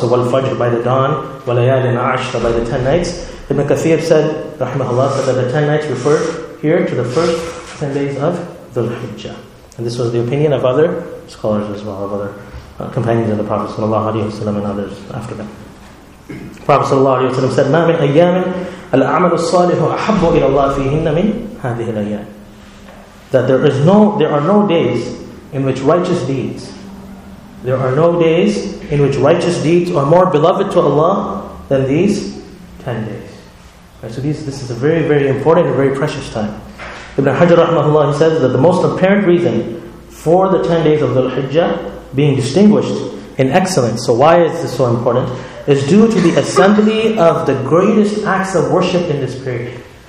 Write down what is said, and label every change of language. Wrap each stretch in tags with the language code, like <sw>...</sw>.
<en>So wal-fajr by the dawn, wal-layalin ashr by the 10 nights. Ibn Kathir said, rahimahullah, said that the 10 nights refer here to the first 10 days of Dhul-Hijjah. And this was the opinion of other scholars as well, of other companions of the Prophet sallallahu alayhi wa sallam and others after them.</en> <ar>Prophet sallallahu alayhi wa sallam said, مَا مِنْ أَيَّامٍ الْأَعْمَلُ الصَّالِحُ أَحَبُّ إِلَى اللَّهِ فِيهِنَّ مِنْ هَذِهِ الْأَيَّامِ.</ar> <en>That there are no days in which righteous deeds, there are no days in which righteous deeds are more beloved to Allah than these 10 days. Right, so this is a very, very important and very precious time. Ibn Hajar rahmahullah, he says that the most apparent reason for the 10 days of Dhul-Hijjah being distinguished in excellence, so why is this so important, is due to the assembly of the greatest acts of worship in this period.</en>